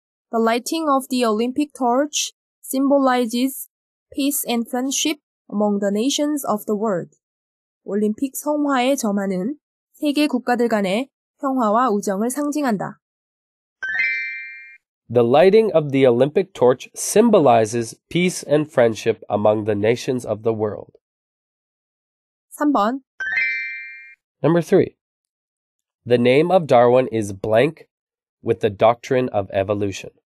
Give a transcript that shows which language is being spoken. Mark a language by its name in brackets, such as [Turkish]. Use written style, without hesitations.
[English] The lighting of the Olympic torch symbolizes peace and friendship among the nations of the world. [Korean] 올림픽 성화의 점화는 세계 국가들 간의 평화와 우정을 상징한다. [English] The lighting of the Olympic torch symbolizes peace and friendship among the nations of the world. [Korean] 3번. [English] Number 3. The name of Darwin is blank with the doctrine of evolution.